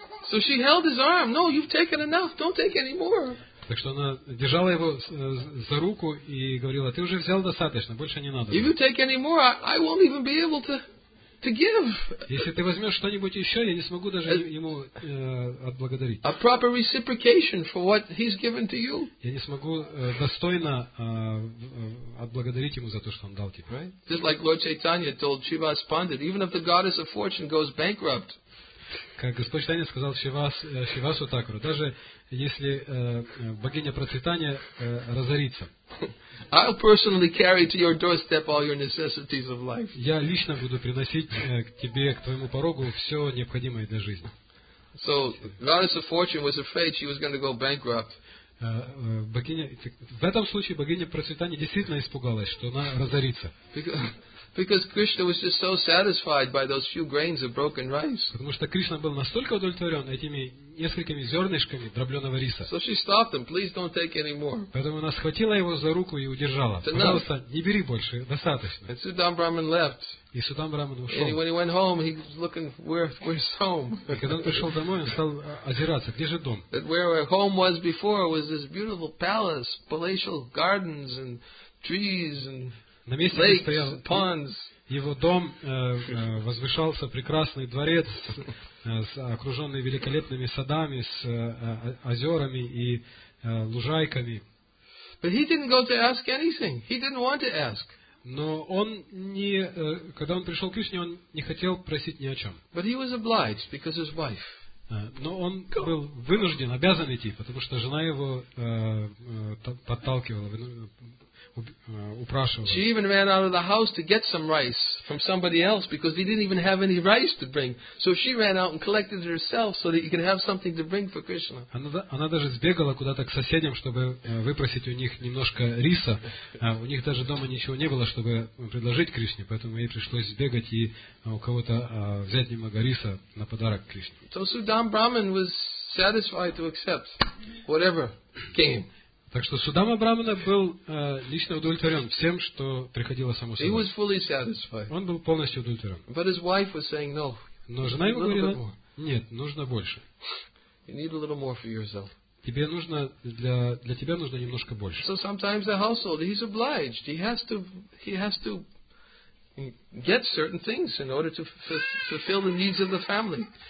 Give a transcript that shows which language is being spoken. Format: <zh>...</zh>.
<en>So she held his arm. No, you've taken enough. Don't take any more.</en> <ru>Так что она держала его за руку и говорила: ты уже взял достаточно, больше не надо.</ru> <en>If you take any more, I won't even be able to give.</en> <ru>Если ты возьмешь что-нибудь еще, я не смогу даже ему отблагодарить.</ru> <en>A proper reciprocation for what he's given to you.</en> <ru>Я не смогу достойно отблагодарить ему за то, что он дал тебе,</ru> <en>right? Just like Lord Chaitanya told Shivas Pandit, even if the goddess of fortune goes bankrupt.</en> <ru>Как Господь Чайтанья сказал Шивасу Такуру, даже если богиня процветания разорится,</ru> <en>I'll personally carry to your doorstep all your necessities of life.</en> <ru>Я лично буду приносить к тебе, к твоему порогу, все необходимое для жизни.</ru> <en>So, goddess of fortune was afraid she was going to go bankrupt.</en> <ru>В этом случае богиня процветания действительно испугалась, что она разорится.</ru> <en>Because Krishna was just so satisfied by those few grains of broken rice.</en> <ru>Потому что Кришна был настолько удовлетворен этими несколькими зернышками дробленого риса.</ru> <en>So she stopped him. Please don't take any more.</en> <ru>Поэтому она схватила его за руку и удержала. Пожалуйста, не бери больше, достаточно.</ru> <en>And Sudham Brahman left.</en> <ru>И Сударь Брахман ушел.</ru> <en>And when he went home, he was looking where's home.</en> <ru>И когда он пришел домой, он стал озираться, где же дом?</ru> <en>That where home was before was this beautiful palace, palatial gardens and trees and</en> <ru>на месте</ru> <en>lakes,</en> <ru>стоял</ru> <en>ponds.</en> <ru>Его дом, возвышался прекрасный дворец, окруженный великолепными садами, с озерами и лужайками.</ru> <en>But he didn't go to ask anything. He didn't want to ask.</en> <ru>Но он не, когда он пришел к Кришне, он не хотел просить ни о чем.</ru> <en>But he was obliged because his wife.</en> <ru>Но он был вынужден, обязан идти, потому что жена его подталкивала.</ru> <en>She even ran out of the house to get some rice from somebody else because they didn't even have any rice to bring. So she ran out and collected it herself so that you can have something to bring for Krishna.</en> <ru>Она даже сбегала куда-то к соседям, чтобы выпросить у них немножко риса. У них даже дома ничего не было, чтобы предложить Кришне, поэтому ей пришлось сбегать и у кого-то взять немного риса на подарок Кришне.</ru> <en>So Sudham Brahman was satisfied to accept whatever came.</en> <ru>Так что Судама Брамана был лично удовлетворен всем, что приходило само собой.</ru> <en>He was fully satisfied.</en> <ru>Он был полностью удовлетворен.</ru> <en>But his wife was saying, no.</en> <ru>Но жена ему говорила, нет, нужно больше.</ru> <en>You need a little more for yourself.</en> <ru>Тебе нужно, для тебя нужно немножко больше.</ru> <en>So sometimes the household, he's obliged. He has to get certain things in order to fulfill the needs of the family.</en>